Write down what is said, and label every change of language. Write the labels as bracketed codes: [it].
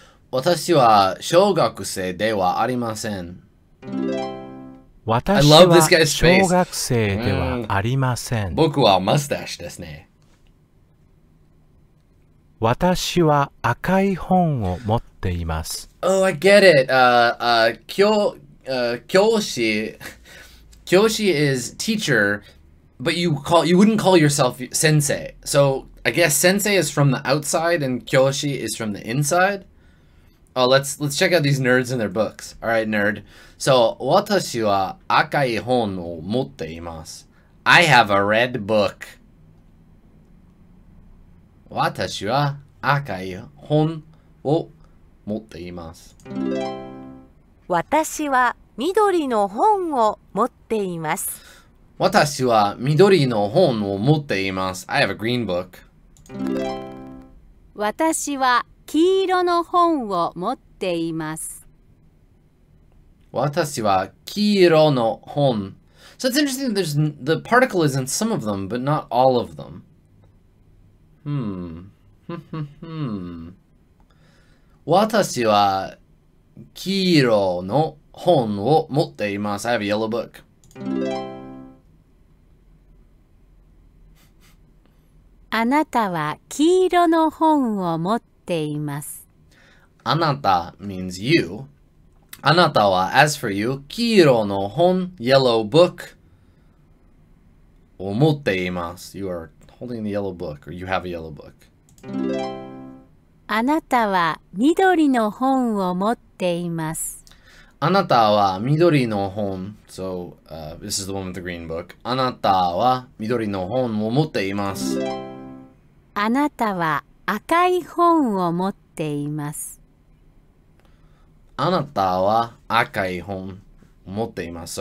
[ja] 私は小学生ではありません。私は小学生ではありません。僕はマスタッシュですね。私は赤い本を持っています。 [en] Oh, I get it. 教師Kyoushi is teacher, but you wouldn't call yourself sensei. So I guess sensei is from the outside and kyoushi is from the inside. Oh, let's check out these nerds and their books. All right, nerd. So [ja] watashi wa akai hon wo motte imasu. [en] I have a red book. [ja] Watashi wa akai hon wo motte imasu. Watashi wa 緑の本を持っています。私は緑の本を持っています。 [en] I have a green book. [ja] 私は黄色の本を持っています。私は黄色の本。 [en] So it's interesting that the particle is in some of them, but not all of them. [ja] Hmm. 私は黄色の本を持っています。 [en] I have a yellow book. [ja] あなたは黄色の本を持っています。 [en] あなた means you. あなたは as for you, 黄色の本 yellow book [ja] を持っています。 [en] You are holding the yellow book or you have a yellow book. [ja] あなたは緑の本を持っています。あなたは緑の本。 [en] So, this is the one with the green book. [ja] あなたは緑の本を持っています。あなたは赤い本を持っています。あなたは赤い本を持っています。